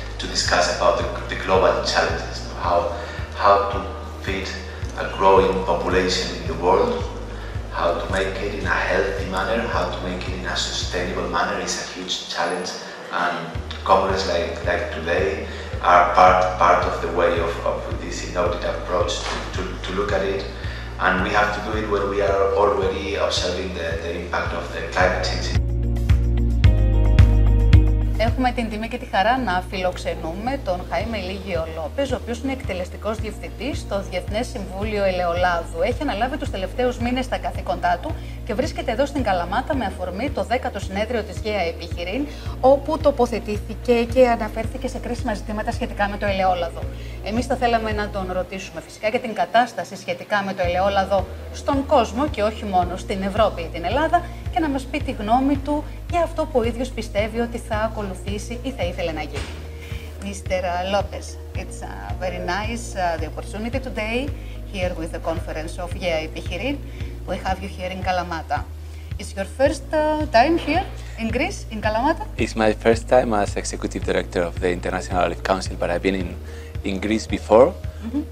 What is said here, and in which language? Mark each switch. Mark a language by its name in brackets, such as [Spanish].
[English] discuss about the global challenges, how to feed a growing population in the world, how to make it in a healthy manner, how to make it in a sustainable manner is a huge challenge, and Congress like today are part of the way of this innovative approach to look at it. And we have to do it when we are already observing the impact of the climate change. [Greek] Έχουμε την τιμή και τη χαρά να φιλοξενούμε τον Χαίμε Λίγιο Λόπεζ, ο οποίος είναι εκτελεστικός διευθυντής στο Διεθνές Συμβούλιο Ελαιολάδου. Έχει αναλάβει τους τελευταίους μήνες τα καθήκοντά του και βρίσκεται εδώ στην Καλαμάτα με αφορμή το 10ο συνέδριο της ΓΕΑ Επιχειρήν, όπου τοποθετήθηκε και αναφέρθηκε σε κρίσιμα ζητήματα σχετικά με το ελαιόλαδο. Εμείς θα θέλαμε να τον ρωτήσουμε φυσικά για την κατάσταση σχετικά με το ελαιόλαδο στον κόσμο και όχι μόνο στην Ευρώπη ή την Ελλάδα, και να μας πει τη γνώμη του για αυτό που ο ίδιος πιστεύει ότι θα ακολουθήσει ή θα ήθελε να γίνει. [English] Mr. López, it's a very nice the opportunity today here with the conference of GEA Επιχειρήν. We have you here in Kalamata. Is your first time here in Greece, in Kalamata? It's my first time as executive director of the International Olive Council, but I've been in Greece before, mm-hmm.